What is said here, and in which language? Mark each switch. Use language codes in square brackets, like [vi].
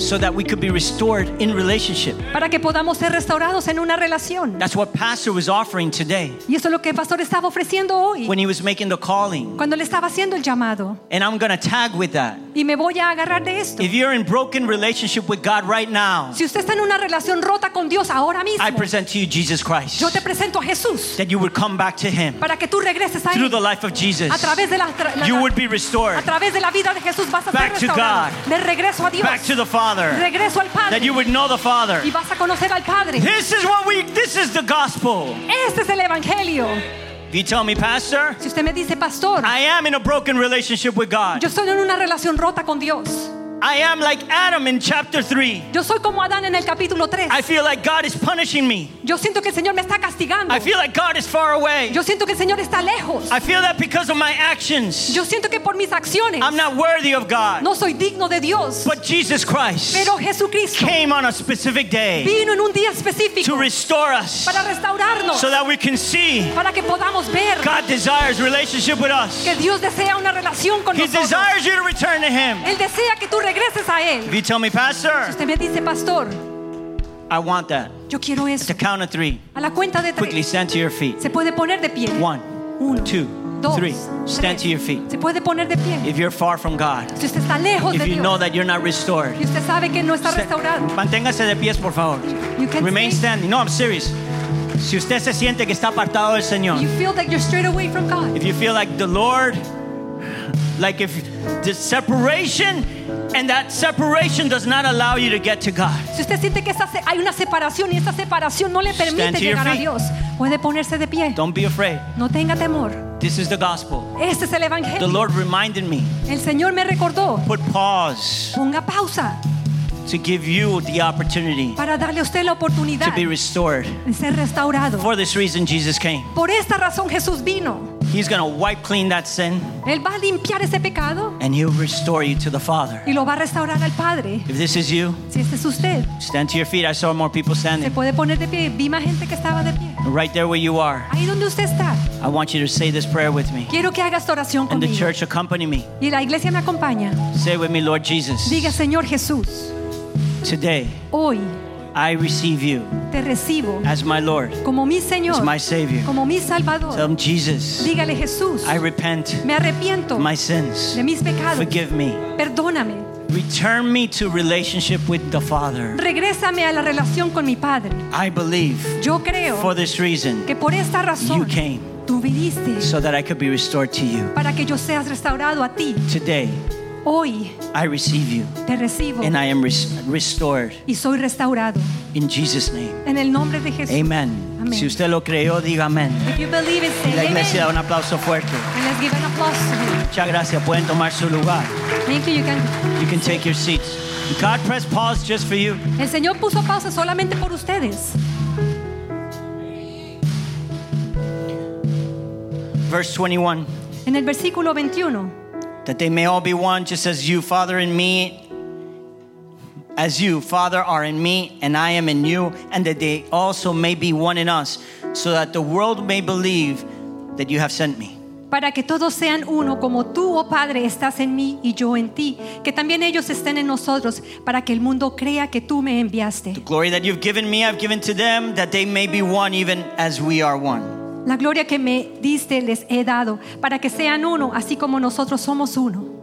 [en] So that we could be restored in relationship. [es] Para que podamos ser restaurados en una relación. [en] That's what pastor was offering today. [es] Y eso es lo que el pastor estaba ofreciendo hoy. [en] When he was making the calling. [es] Cuando le estaba haciendo el llamado. [en] And I'm going to tag with that. [es] Y me voy a agarrar de esto. [en] If you're in broken relationship with God right now. [es] Si usted está en una relación rota con Dios ahora mismo. [en] I present to you Jesus Christ. [es] Yo te presento a Jesús. [en] That you would come back to him. [es] Para que tú regreses a él. [en] Through the life of Jesus. [es] A través de la [en] you would be restored. [es] A través de la vida de Jesús vas a ser restaurado. [en] Back to God. [es] De regreso a Dios. [en] Back to the Father. [es] Regreso al Padre. [en] That you would know the Father. [es] Y vas a conocer al Padre. [en] This is the gospel. [es] Este es el evangelio. [en] If you tell me, pastor, [es] si usted me dice, pastor, [en] I am in a broken relationship with God. [es] Yo estoy en una relación rota con Dios. [en] I am like Adam in chapter 3. [es] Yo soy como Adán en el capítulo 3. [en] I feel like God is punishing me. [es] Yo siento que el Señor me está castigando. [en] I feel like God is far away. [es] Yo siento que el Señor está lejos. [en] I feel that because of my actions. [es] Yo siento que por mis acciones. [en] I'm not worthy of God. [es] No soy digno de Dios. [en] But Jesus Christ. [es] Pero Jesucristo. [en] Came on a specific day. [es] Vino en un día específico. [en] To restore us. [es] Para restaurarnos. [en] So that we can see. [es] Para que podamos ver. [en] God desires relationship with us. [es] Que Dios desea una relación con [en] he [es] nosotros. [en] He desires you to return to him. [es] Él desea que tú regreses a él. [en] If you tell me, pastor, [es] si usted me dice, pastor, [en] I want that. [es] Yo quiero eso. [en] At the count of three. [es] A la cuenta de tres. [en] Quickly stand to your feet. [es] Se puede poner de pie. [en] One. [es] Uno, [en] two. [es] Dos, [en] three. Stand [es] tres. [en] To your feet. [es] Se puede poner de pie. [en] If you're far from God. [es] Si usted está lejos [en] if [es] de [en] you [es] Dios, [en] know that you're not restored. [es] Y usted sabe que no está restaurado. Manténgase de pie, por favor. [en] You can remain stay. Standing. No, I'm serious. [es] Si usted se siente que está apartado del Señor. [en] You feel that you're straight away from God. If you feel like the Lord, like if the separation and that separation does not allow you to get to God. [es] Si usted siente que hay una separación y esa separación no le permite llegar a Dios, puede ponerse de pie. [en] Don't be afraid. [es] No tenga temor. [en] This is the gospel. [es] Este es el evangelio. [en] The Lord reminded me. [es] El Señor me recordó. [en] Put pause. [es] Ponga pausa. [en] To give you the opportunity. [es] Para darle a usted la oportunidad. [en] To be restored. [es] Ser restaurado. [en] For this reason Jesus came. [es] Por esta razón Jesús vino. [en] He's going to wipe clean that sin. [es] Él va a limpiar ese pecado. [en] And he'll restore you to the Father. [es] Y lo va a restaurar al Padre. [en] If this is you, [es] si este es usted, [en] stand to your feet. I saw more people standing. [es] Se puede poner de pie. Vi más gente que estaba de pie. [en] Right there where you are. [es] Ahí donde usted está. [en] I want you to say this prayer with me. [es] Quiero que haga esta oración [en] and [es] conmigo. [en] The church accompany me. [es] Y la iglesia me acompaña. [en] Say with me, Lord Jesus. [es] Diga, Señor Jesús. [en] Today, [es] hoy, [en] I receive you. [es] Te recibo. [en] As my Lord. [es] Como mi Señor. [en] As my Savior. [es] Como mi Salvador. [en] Tell him Jesus. [es] Dígale Jesús. [en] I repent. [es] Me arrepiento. [en] My sins. [es] De mis pecados. [en] Forgive me. [es] Perdóname. [en] Return me to relationship with the Father. [es] Regrésame a la relación con mi Padre. [en] I believe. [es] Yo creo. [en] For this reason. [es] Que por esta razón. [en] You came. [es] Tú viniste. [en] So that I could be restored to you. [es] Para que yo seas restaurado a ti. [en] Today. [es] Hoy, [en] I receive you. [es] Te recibo, [en] and I am restored. [es] Y soy restaurado. [en] In Jesus' name. [es] En el nombre de Jesús. [en] Amen. Amen. [es] Si usted lo creyó, diga amén. [en] If you believe it, say amen. [es] La iglesia da un aplauso fuerte. [en] And let's give an applause to him. [es] Muchas gracias. Pueden tomar su lugar. [en] Thank you. You can take your seats. God pressed pause just for you. [es] El Señor puso pausa solamente por ustedes. [en] Verse 21. [es] En el versículo 21. [en] That they may all be one, just as you, Father, in me, as you, Father, are in me, and I am in you, and that they also may be one in us, so that the world may believe that you have sent me. [es] Para que todos sean uno, como tú, oh Padre, estás en mí y yo en ti, que también ellos estén en nosotros, para que el mundo crea que tú me enviaste. [en] The glory that you've given me, I've given to them, that they may be one, even as we are one. [es] La gloria que me diste les he dado para que sean uno así como nosotros somos uno.